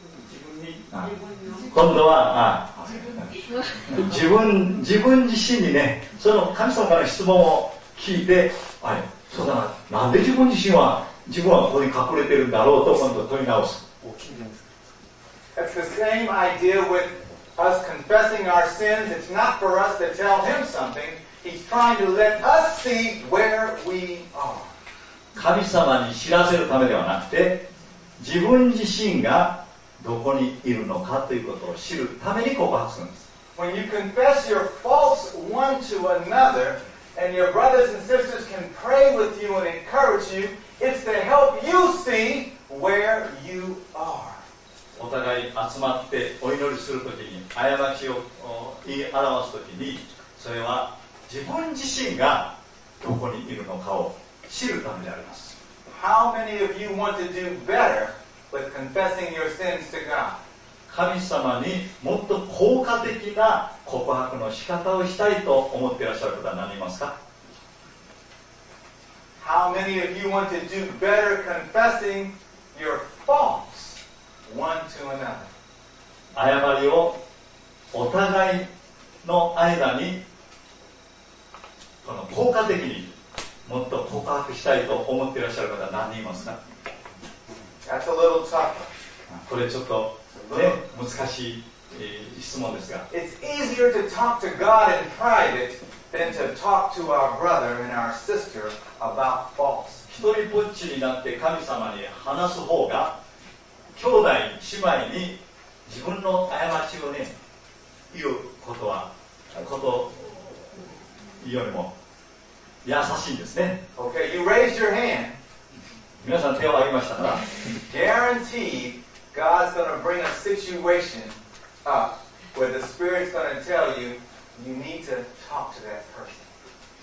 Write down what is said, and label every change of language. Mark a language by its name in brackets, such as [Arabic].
[Japanese] 自分に。今度は自分自身にね、その神様から質問を聞いて、あれ、そうだな、なんで自分はここに隠れてるんだろうと今度問い直す。大きいです。 [English] It's the same idea with us confessing our sins. It's not for us to tell him something. He's trying to let us see where we are. [Japanese] 神様に知らせるためではなくて、自分自身がどこにいるのかということを知るために告白するんです。 [English] When you confess your faults one to another, and your brothers and sisters can pray with you and encourage you, it's to help you see where you are. [Japanese] お互い集まってお祈りするときに過ちを言い表すときに、それは自分自身がどこにいるのかを知るためであります。 [English] How many of you want to do better with confessing your sins to God? [Japanese] 神様にもっと効果的な告白の仕方をしたいと思っていらっしゃる方は何いますか？ [English] How many of you want to do better confessing your faults? [Japanese] 誤りをお互いの間にこの効果的にもっと告白したいと思っていらっしゃる方は何人いますか？ [English] That's a little tough. [Japanese] これちょっと、ね、難しい質問ですが、 [English] It's easier to talk to God in private than to talk to our brother and our sister about faults. [Japanese] 一人ぼっちになって神様に話す方が、兄弟姉妹に自分の過ちをね言うことはことよりも優しいんですね。 [English] Okay, you raised your hand. [Japanese] 皆さん手を挙げましたから。 [English] Guaranteed, God's going to bring a situation up where the Spirit's going to tell you you need to talk to that person.